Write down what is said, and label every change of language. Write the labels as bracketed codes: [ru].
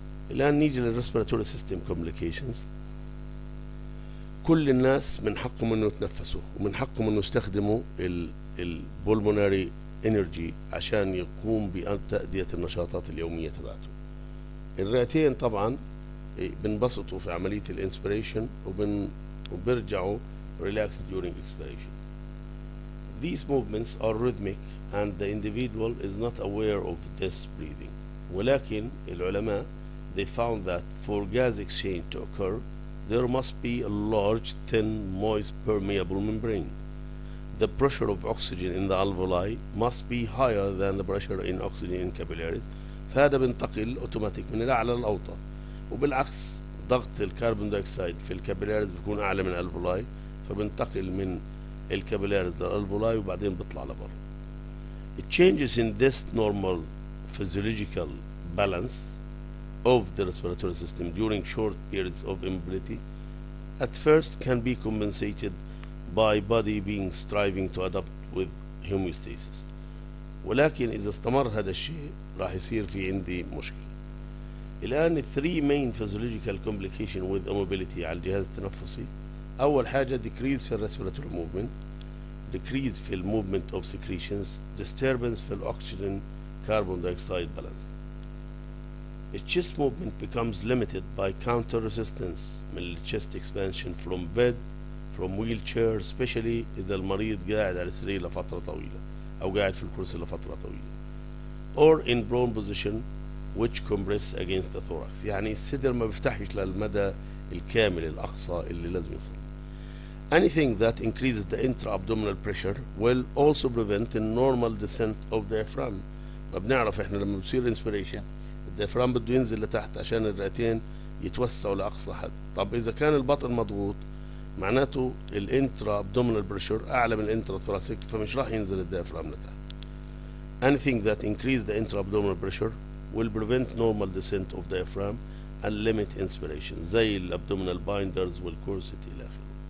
[ar] الآن نيجي للرسبيراتوري سيستم كومبليكيشنز. كل الناس من حقهم انه يتنفسوا ومن حقهم انه يستخدموا البولموناري انرجي عشان يقوم بتأدية النشاطات اليومية تبعته. الرئتين طبعا بنبسطوا في عملية الانسبيريشن وبرجعوا ريلاكس دورينج اكسبيريشن. [en] These movements are rhythmic and the individual is not aware of this breathing. [ar] ولكن العلماء [en] they found that for gas exchange to occur there must be a large thin moist permeable membrane. The pressure of oxygen in the alveoli must be higher than the pressure in oxygen in capillaries. [ar] فهذا بنتقل اوتوماتيك من الاعلى للاوطى، وبالعكس ضغط الكربون دايوكسيد في الكابيلاريز بيكون اعلى من الالفولاي فبنتقل من الكابيلاريز للالفولاي وبعدين بيطلع لبرا. [en] changes in this normal physiological balance of the respiratory system during short periods of immobility at first can be compensated by body being striving to adapt with homeostasis. [ar] ولكن إذا استمر هذا الشيء راح يصير في عندي مشكلة. [en] الآن three main physiological complications with immobility [ar] على الجهاز التنفسي. أول حاجة [en] decrease في respiratory movement, decrease في movement of secretions, disturbance في oxygen carbon dioxide balance. The chest movement becomes limited by counter resistance من chest expansion from bed, from wheelchair, especially [ar] إذا المريض قاعد على السرير لفترة طويلة [en] أو قاعد في الكرسي لفترة طويلة. Or in prone position which compress against the thorax. [ar] يعني الصدر ما بيفتحش للمدى الكامل الأقصى اللي لازم يصل. [en] Anything that increases the intra-abdominal pressure will also prevent the normal descent of the diaphragm. [ar] ما بنعرف إحنا لما بصير inspiration الديافرام بده ينزل لتحت عشان الرئتين يتوسعوا لأقصى حد. طب إذا كان البطن مضغوط معناته الانترا ابدومينال بريشر أعلى من الانترا ثوراسيك فمش راح ينزل الديافرام لتحت. [en] Anything that increase the intra abdominal pressure will prevent normal descent of diaphragm and limit inspiration [ar] زي الابدومينال بايندرز والكورسيت إلى آخره.